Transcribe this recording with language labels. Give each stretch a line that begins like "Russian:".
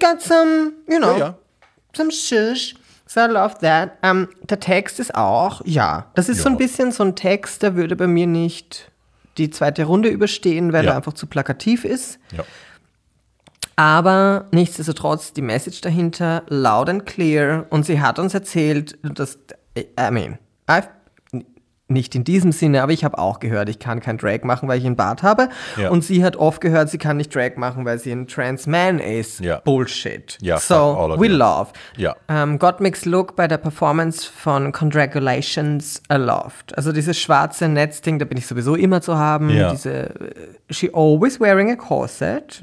English: got some, you know, some shush. So I love that.
German: Der Text ist auch, das ist so ein bisschen so ein Text, der würde bei mir nicht die zweite Runde überstehen, weil er einfach zu plakativ ist. Ja. Aber nichtsdestotrotz, die Message dahinter,
English: loud and clear.
German: Und sie hat uns erzählt, dass,
English: I mean, I've,
German: nicht in diesem Sinne, aber ich habe auch gehört, ich kann kein Drag machen, weil ich einen Bart habe. Ja. Und sie hat oft gehört, sie kann nicht Drag machen, weil sie ein Trans-Man ist. Ja. Bullshit. Ja,
English: so, we love.
German: Ja. Gottmik's Look bei der Performance von Congratulations,
English: I loved.
German: Also dieses schwarze Netzding, da bin ich sowieso immer zu haben. Ja. Diese,
English: she always wearing a corset.